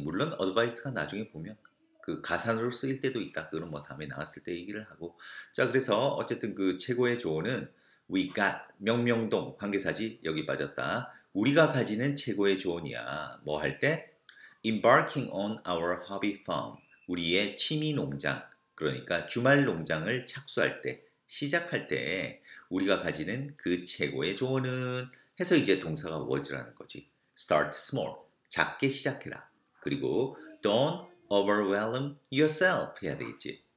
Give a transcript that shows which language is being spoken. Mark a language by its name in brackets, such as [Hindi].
[Korean] 물론 advice가 나중에 보면 그 가산으로 쓰일 때도 있다. 그건 뭐 다음에 나왔을 때 얘기를 하고. 자, 그래서 어쨌든 그 최고의 조언은 [English] we got [Korean] 명명동 관계사지 여기 빠졌다. 우리가 가지는 최고의 조언이야. 뭐 할 때 [English] embarking on our hobby farm. [Korean] 우리의 취미 농장. 그러니까 주말 농장을 착수할 때 시작할 때 우리가 가지는 그 최고의 조언은 해서 이제 동사가 was라는 거지. [English] start small. [Korean] 작게 시작해라. 그리고 [English] don't overwhelm yourself [Korean] 해야 되겠지.